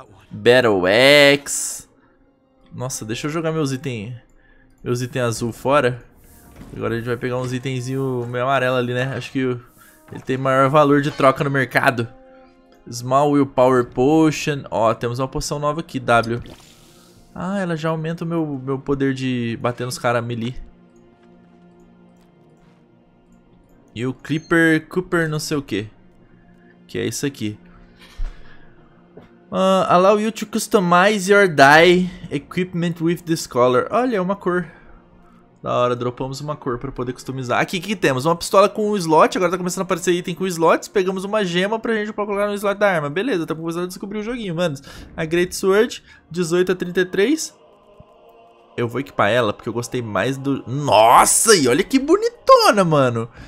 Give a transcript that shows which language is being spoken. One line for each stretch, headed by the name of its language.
Portuguese: Battle Axe. Nossa, deixa eu jogar meus itens azul fora. Agora a gente vai pegar uns itenzinho meio amarelo ali, né? Acho que ele tem maior valor de troca no mercado.
English: Small Will Power Potion.
Portuguese: Ó, temos uma poção nova aqui, W. Ah, ela já aumenta o meu poder de bater nos caras melee. E o Creeper Cooper não sei o que. Que é isso aqui.
English: Allow you to customize your dye equipment with this color.
Portuguese: Olha, uma cor. Da hora, dropamos uma cor pra poder customizar. Aqui, o que temos? Uma pistola com um slot. Agora tá começando a aparecer item com slots. Pegamos uma gema pra gente pra colocar no slot da arma. Beleza, tá começando a descobrir o joguinho, mano. A Great Sword, 18 a 33. Eu vou equipar ela porque eu gostei mais do... Nossa, e olha que bonitona, mano.